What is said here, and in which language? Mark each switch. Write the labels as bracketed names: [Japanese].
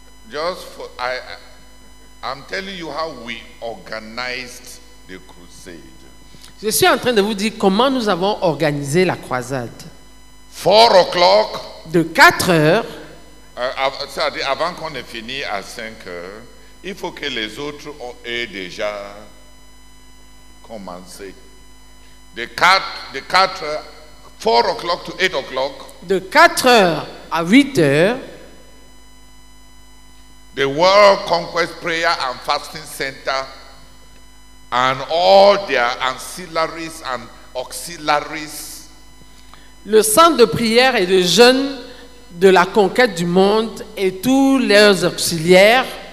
[English] Just for I'm telling you how we organized the crusade. [French] Je suis en train de vous dire comment nous avons organisé la croisade. [English] 4 o'clock. [French] De 4 heures. Avant qu'on ait fini à 5 heures, il faut que les autres aient déjà commencé. [English] De 4 o'clock to 8 o'clock. [French] De 4 heures à 8 heures. [English] The World Conquest Prayer and Fasting Center and all their ancillaries and auxiliaries. [French] Le centre de prière et de jeûne de la conquête du monde et tous leurs auxiliaires.